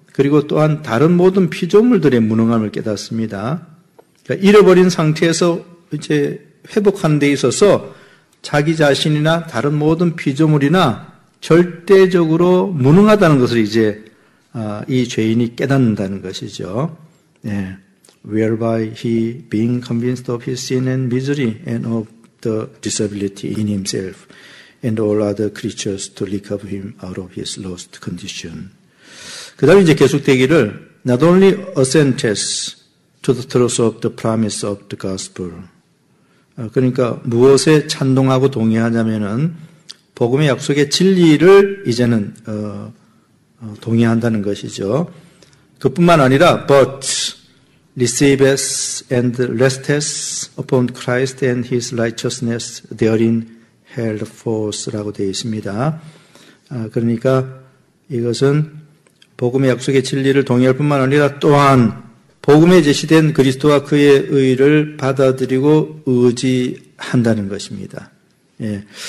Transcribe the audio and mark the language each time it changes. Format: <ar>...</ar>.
<ko>그리고 또한 다른 모든 피조물들의 무능함을 깨닫습니다. 그러니까 잃어버린 상태에서 이제 회복하는 데 있어서 자기 자신이나 다른 모든 피조물이나 절대적으로 무능하다는 것을 이제 이 죄인이 깨닫는다는 것이죠. 예.</ko> <en>Whereby he being convinced of his sin and misery and of the disability in himself. And all other creatures to recover him out of his lost condition.</en> <ko>그 다음에 이제 계속되기를,</ko> <en>not only assentes to the truth of the promise of the gospel.</en> <ko>그러니까 무엇에 찬동하고 동의하냐면은, 복음의 약속의 진리를 이제는, 동의한다는 것이죠. 그뿐만 아니라,</ko> <en>but receives and rests upon Christ and his righteousness therein held forth</en> <ko>라고 되어 있습니다. 그러니까 이것은 복음의 약속의 진리를 동의할 뿐만 아니라 또한 복음에 제시된 그리스도와 그의 의의를 받아들이고 의지한다는 것입니다. 예.</ko>